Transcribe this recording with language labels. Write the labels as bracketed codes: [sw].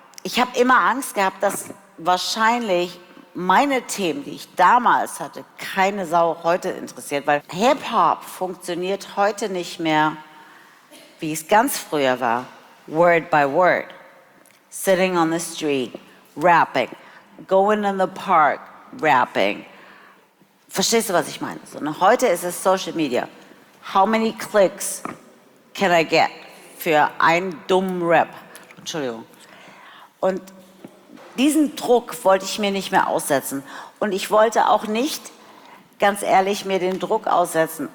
[de] Ich habe immer Angst gehabt, dass wahrscheinlich meine Themen, die ich damals hatte, keine Sau heute interessiert. Weil Hip-Hop funktioniert heute nicht mehr, wie es ganz früher war. [en] Word by word. Sitting on the street, rapping. Going in the park, rapping. [de] Verstehst du, was ich meine? Sondern heute ist es Social Media. [en] How many clicks can I get [de] für einen dummen Rap? Entschuldigung. Und diesen Druck wollte ich mir nicht mehr aussetzen. Und ich wollte auch nicht, ganz ehrlich, mir den Druck aussetzen.